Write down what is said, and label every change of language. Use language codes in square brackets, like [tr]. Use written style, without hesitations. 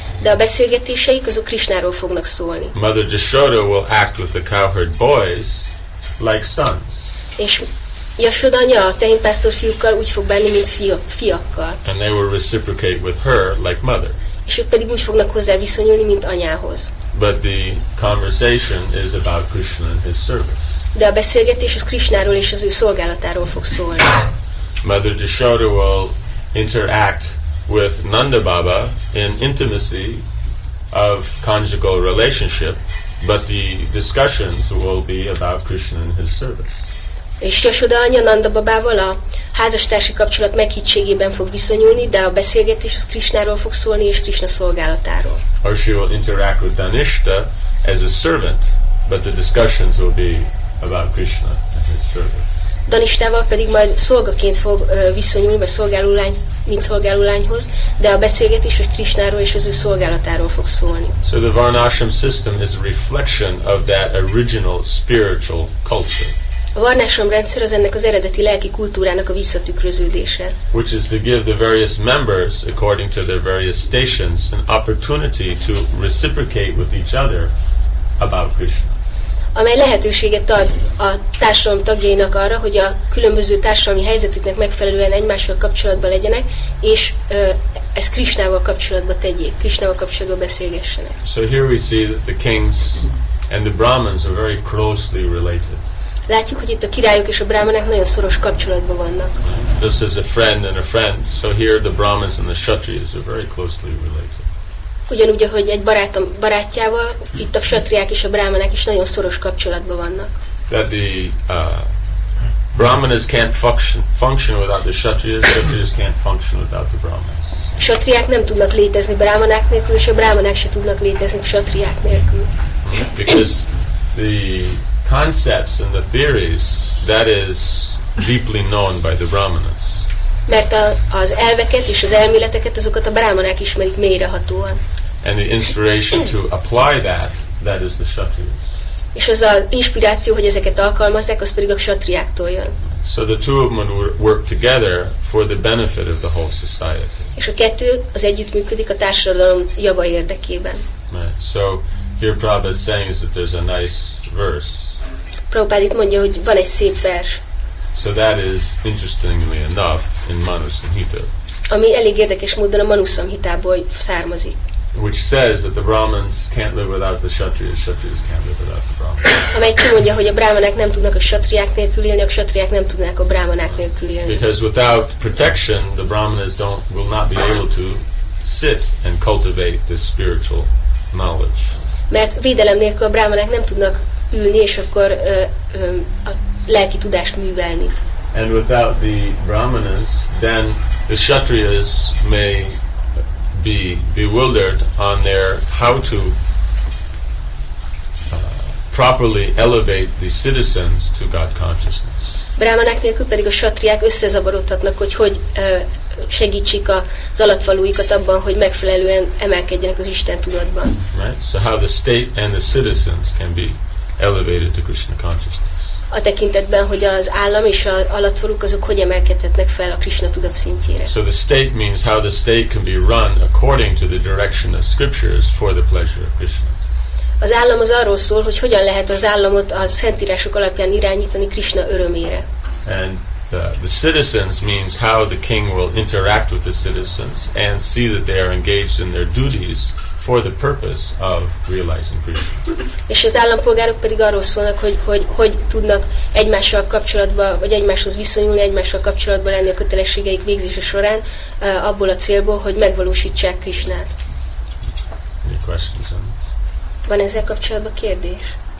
[hu] De a beszélgetéseik azok Krishnáról fognak szólni. [en] Mother Yashoda will act with the cowherd boys like sons. [hu] És Yashoda anya a tehénpásztor fiúkkal úgy fog bánni, mint fiakkal. [en] And they will reciprocate with her like mother. [hu] És ők pedig úgy fognak hozzá viszonyulni, mint anyához. [en] But the conversation is about Krishna and his service. [hu] De a beszélgetés az Krishnáról és az ő szolgálatáról fog szólni. [en] Mother Yashoda will interact with Nanda Baba in intimacy of conjugal relationship, but the discussions will be about Krishna and his service. [hu] És Yashoda anya Nanda Babával a házastársi kapcsolat meghittségében fog viszonyulni, de a beszélgetés az Krishnáról fog szólni és Krishna szolgálatáról. [en] Or she will interact with Danishta as a servant, but the discussions will be about Krishna and his service. [hu] Danistával pedig majd szolgaként fog viszonyulni, vagy szolgálólány, mint szolgálólányhoz, de a beszélgetés is Krishnáról és az ő szolgálatáról fog szólni. [en] So the Varnashram system is a reflection of that original spiritual culture. [hu] A Varnashram rendszer az ennek az eredeti lelki kultúrának a visszatükröződése. [en] Which is to give the various members, according to their various stations, an opportunity to reciprocate with each other about Krishna. [hu] Amely lehetőséget ad a társadalom tagjainak arra, hogy a különböző társadalmi helyzetüknek megfelelően egymással kapcsolatban legyenek, és ezt Krishnával kapcsolatban tegyék, Krishnával kapcsolatban beszélgessenek. [en] So here we see that the kings and the brahmins are very closely related. [hu] Látjuk, hogy itt a királyok és a brahmanek nagyon szoros kapcsolatban vannak. [en] This is a friend and a friend. So here the brahmins and the kshatriyas are very closely related. [hu] Ugyanúgy, ahogy egy barátom barátjával, itt a kshatriák és a brahmanák is nagyon szoros kapcsolatban vannak. [en] That the brahmanas can't function without the kshatriyas, kshatriyas can't function without the brahmanas. [hu] Kshatriák nem tudnak létezni brahmanák nélkül, és a brahmanák se tudnak létezni kshatriák nélkül. [en] Because the concepts and the theories, that is deeply known by the brahmanas. [hu] Mert az elveket és az elméleteket azokat a brahmanák ismerik mélyrehatóan. [en] And the inspiration to apply that is the kshatriyas. [hu] És az inspiráció, hogy ezeket alkalmazzák, az pedig a kshatriáktól jön. [en] So the two of them work together for the benefit of the whole society. [hu] És a kettő az együttműködik a társadalom java érdekében. [en] So here Prabhupada is saying that there's a nice verse. [hu] Prabhupada itt mondja, hogy van egy szép vers. [en] So that is interestingly enough in Manusamhita. [hu] Ami elég érdekes módon a Manusamhitából származik. [en] Which says that the Brahmins can't live without the Kshatriyas, Kshatriyas can't live without the Brahmins. [hu] Amely kimondja, hogy a brahmanák nem tudnak a kshatriák nélkül élni, a kshatriák nem tudnak a brahmanák nélkül élni. [en] Because without protection, the Brahmins will not be able to sit and cultivate this spiritual knowledge. [hu] Mert védelem nélkül a brahmanák nem tudnak ülni, és akkor a lelki tudást művelni. [en] And without the brahmanas, then the kshatriyas may be bewildered on their how to properly elevate the citizens to God consciousness. [hu] Brahmanák nélkül pedig a kshatriák összezavarodhatnak, hogy segítsék az alattvalóikat abban, hogy megfelelően emelkedjenek az Isten tudatban. [en] Right? So how the state and the citizens can be elevated to Krishna consciousness. [hu] A tekintetben, hogy az állam és az alattvalók azok hogy emelkedhetnek fel a Krishna tudat szintjére. [en] So the state means how the state can be run according to the direction of scriptures for the pleasure of Krishna. [hu] Az állam az arról szól, hogy hogyan lehet az államot a szentírások alapján irányítani Krishna örömére. [en] And the citizens means how the king will interact with the citizens and see that they are engaged in their duties for the purpose of realizing Krishna. [hu] És az állampolgárok pedig arról szólnak, hogy tudnak egymással kapcsolatba vagy egymáshoz viszonyulni, egymással kapcsolatban lenni a kötelességeik végzése során abból a célból, hogy megvalósítsák Krishnát. [en] Any questions on this? [hu] Van ezzel kapcsolatban kérdés?